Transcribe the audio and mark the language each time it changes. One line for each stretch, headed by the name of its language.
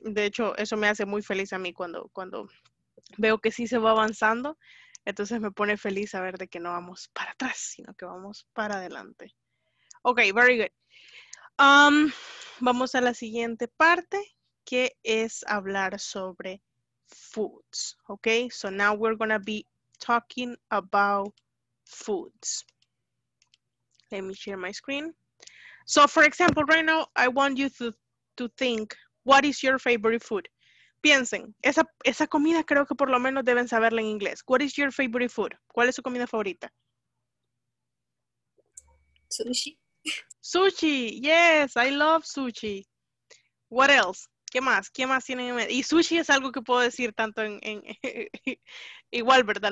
Spanish: De hecho, eso me hace muy feliz a mí cuando veo que sí se va avanzando. Entonces me pone feliz saber de que no vamos para atrás, sino que vamos para adelante.
English: Ok, very good.
Spanish: Vamos a la siguiente parte, que es hablar sobre foods.
English: Ok, so now we're going to be talking about foods. Let me share my screen. So for example, right now, I want you to think, what is your favorite food?
Spanish: Piensen, esa comida creo que por lo menos deben saberla en inglés.
English: What is your favorite food?
Spanish: ¿Cuál es su comida favorita?
English: Sushi. Sushi, yes, I love sushi. What else?
Spanish: ¿Qué más? ¿Qué más tienen en mente? Y sushi es algo que puedo decir tanto en igual, ¿verdad?